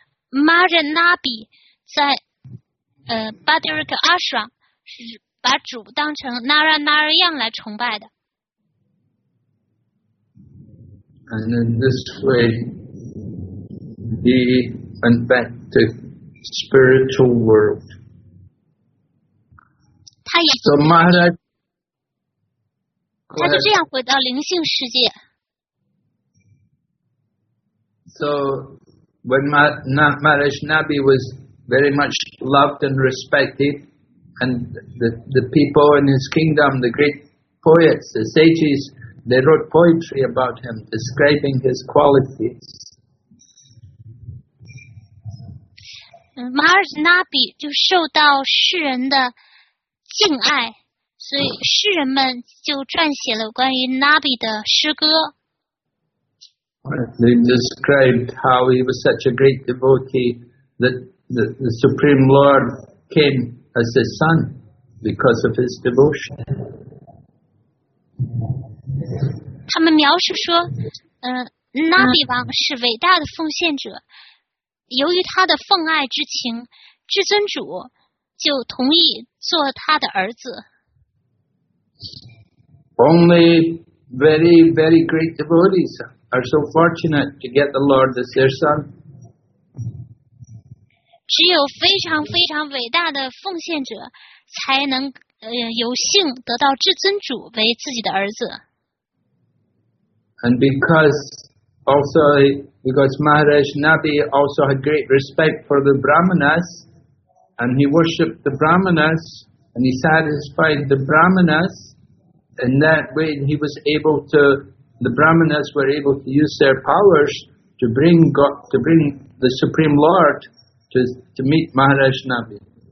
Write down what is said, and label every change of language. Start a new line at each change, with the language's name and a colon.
Chinese: Maharaj Nabi 在Bhadarika Ashram 是把主当成 Narayan 来崇拜的。
English: And in this way, he went back to spiritual world. So Maharaj.
Chinese: 他就这样回到灵性世界。
English: So when Maharaj Nabi was very much loved and respected, and the people in his kingdom, the great poets, the sages, they wrote poetry about him, describing his qualities.
Chinese: Maharaj Nabi 就受到世人的敬爱。所以诗人们就撰写了关于 Nabi 的诗歌。
English: They described how he was such a great devotee that the Supreme Lord came as his son because of his devotion.
Chinese: 他们描述说，Nabi 王是伟大的奉献者，由于他的奉爱之情，至尊主就同意做他的儿子。
English: Only very, very great devotees are so fortunate to get the Lord as their son.
Chinese: 只有非常非常伟大的奉献者才能有幸得到至尊主为自己的儿子。
English: And because Maharaj Nabi also had great respect for the Brahmanas, and he worshipped the Brahmanas, and he satisfied the Brahmanas, in that way the Brahmanas were able to use their powers to bring God, to bring the Supreme Lord to meet Maharaj Nabi.